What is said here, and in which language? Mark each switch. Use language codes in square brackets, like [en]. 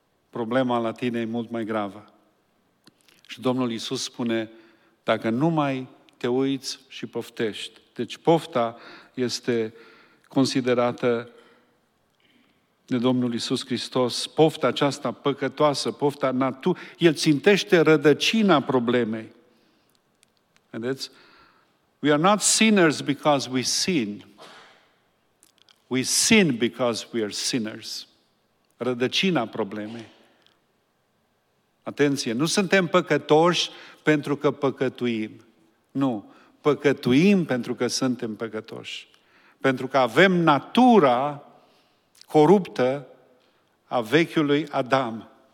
[ro] Problema la tine e mult mai gravă. Și Domnul Iisus spune: dacă nu mai te uiți și poftești. Deci pofta este considerată de Domnul Iisus Hristos, pofta aceasta păcătoasă, pofta naturii, el țintește rădăcina problemei. Vedeți? [en] We are not sinners because we sin. We sin because we are sinners. [ro] Rădăcina problemei. Atenție, nu suntem păcătoși pentru că păcătuim. Nu, păcătuim pentru că suntem păcătoși. Pentru că avem natura coruptă a vechiului Adam.